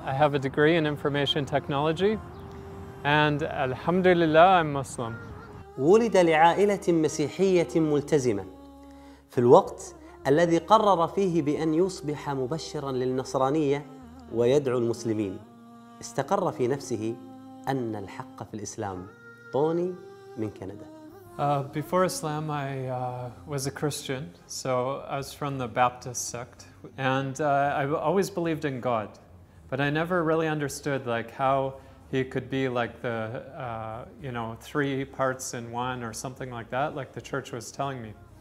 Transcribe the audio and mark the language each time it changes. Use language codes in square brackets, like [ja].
[en] I have a degree in information technology. And alhamdulillah, I'm Muslim. [ar] ولد لعائلة مسيحية ملتزمة في الوقت الذي قرر فيه بأن يصبح مبشراً للنصرانية ويدعو المسلمين. استقر في نفسه أن الحق في الإسلام. طوني من كندا. [en] Before Islam, I was a Christian, so I was from the Baptist sect, and I always believed in God, but I never really understood like how he could be like the, you know, three parts in one or something like that, like the church was telling me.